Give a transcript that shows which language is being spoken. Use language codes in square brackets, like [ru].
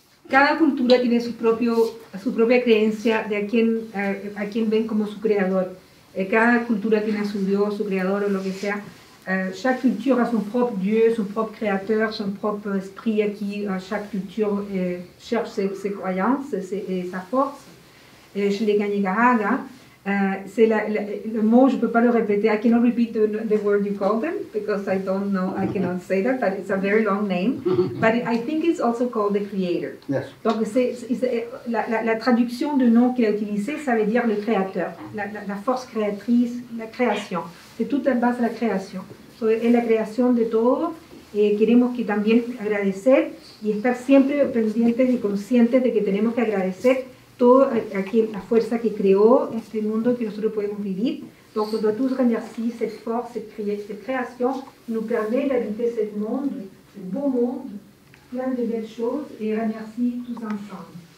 [es] Cada cultura tiene su propia creencia de a quien ven como su creador. Cada cultura tiene su Dios, su creador o lo que sea. [fr] Chaque culture a son propre Dieu, son propre créateur, son propre esprit à qui chaque culture cherche ses croyances et sa force. Chez les Ganyagaraga, c'est le mot, je ne peux pas le répéter, [en] I cannot repeat the word you call them, because I don't know, I cannot say that, but it's a very long name. But I think it's also called the creator. Yes. [fr] Donc la traduction de nom qu'il a utilisé, ça veut dire le créateur, la force créatrice, la création. C'est toute la base de la création. [es] Es la creación de todo. Queremos que también agradecer y estar siempre pendientes y conscientes de que tenemos que agradecer todo aquel, la fuerza que creó este mundo que nosotros podemos vivir. [fr] Donc, on doit tous remercier cette force, cette création qui nous permet d'habiter ce monde, ce beau monde, plein de belles choses, et remercier tous ensemble.